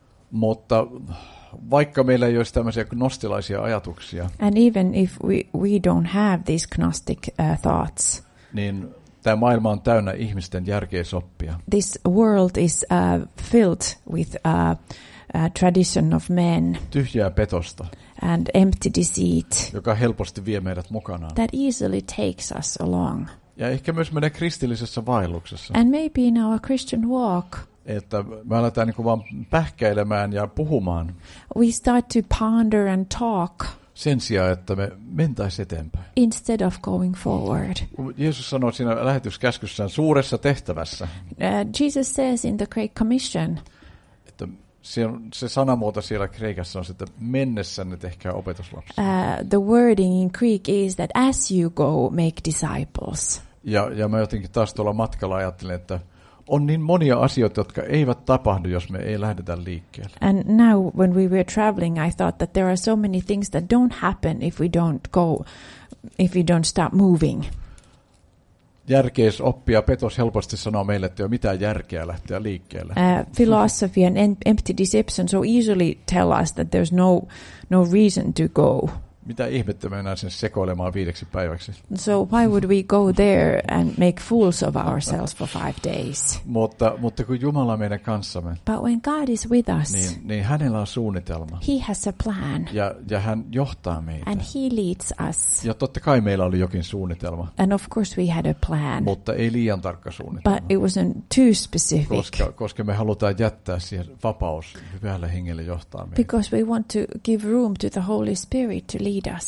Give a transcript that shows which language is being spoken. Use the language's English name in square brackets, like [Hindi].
[Finnish] Mutta vaikka meillä ei olisi tämmöisiä gnostilaisia ajatuksia. [English] And even if we don't have these gnostic thoughts. [Finnish] Niin tämä maailma on täynnä ihmisten järkeisoppia. [English] This world is filled with tradition of men. [Finnish] Tyhjää petosta. [English] And empty deceit. [Finnish] Joka helposti vie meidät mukanaan. [English] That easily takes us along. [Finnish] Ja ehkä myös meidän kristillisessä vaelluksessa. [English] And maybe in our Christian walk. [Finnish] Että me aletaan niin kuin vaan pähkäilemään ja puhumaan. [English] We start to ponder and talk. [Finnish] Sen sijaan, että me mentäisiin eteenpäin. [English] Instead of going forward. [Finnish] Jeesus sanoi siinä lähetyskäskyssään suuressa tehtävässä. [English] Jesus says in the Great Commission. [Finnish] Että se sanamuoto siellä kreikassa on, että mennessänne tehkää opetuslapsia. [English] The wording in Greek is that as you go, make disciples. [Finnish] Ja mä jotenkin taas tuolla matkalla ajattelin, että on niin monia asioita, jotka eivät tapahdu, jos me ei lähdetä liikkeelle. [English] And now when we were traveling, I thought that there are so many things that don't happen if we don't go, if we don't start moving. [Finnish] Järkeis oppi ja petos helposti sanoo meille, että ei ole mitään järkeä lähteä liikkeelle. [English] Philosophy and empty deception so easily tell us that there's no reason to go. [Finnish] Mitä ihmettä mennään sen sekoilemaan viideksi päiväksi? [English] So why would we go there and make fools of ourselves for 5 days? [Finnish] Mutta kun Jumala on meidän kanssamme. [English] But when God is with us. [Finnish] Niin hänellä on suunnitelma. [English] He has a plan. [Finnish] Ja hän johtaa meitä. [English] And he leads us. [Finnish] Ja totta kai meillä oli jokin suunnitelma. [English] And of course we had a plan. [Finnish] Mutta ei liian tarkka suunnitelma. [English] But it wasn't too specific. [Finnish] Koska me halutaan jättää siihen vapaus hyvällä hengellä johtaa meitä. [English] Because we want to give room to the Holy Spirit to lead us.